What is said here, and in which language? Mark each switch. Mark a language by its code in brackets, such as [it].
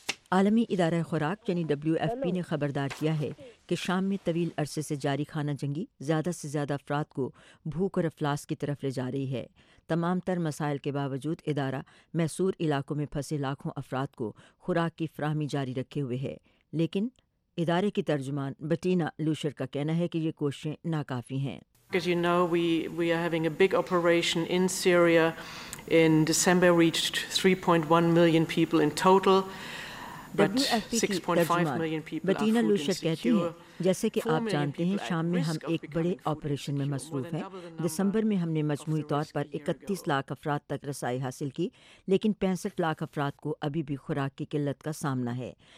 [ur] عالمی ادارہ خوراک یعنی WFP نے خبردار کیا ہے کہ شام میں طویل عرصے سے جاری خانہ جنگی زیادہ سے زیادہ افراد کو بھوک اور افلاس کی طرف لے جا رہی ہے. تمام تر مسائل کے باوجود ادارہ محصور علاقوں میں پھنسے لاکھوں افراد کو خوراک کی فراہمی جاری رکھے ہوئے ہے, لیکن ادارے کی ترجمان بٹینا لوشر کا کہنا ہے کہ یہ کوششیں ناکافی ہیں. [en] Because you know we are having a big operation in Syria. In December reached 3.1 million people in total. [ur] بٹینا لوشر کہتی ہیں, جیسے کہ آپ جانتے ہیں شام میں ہم ایک بڑے آپریشن میں مصروف ہیں. دسمبر میں ہم نے مجموعی طور پر 31 لاکھ افراد تک رسائی حاصل کی, لیکن 65 لاکھ افراد کو ابھی بھی خوراک کی قلت کا سامنا ہے.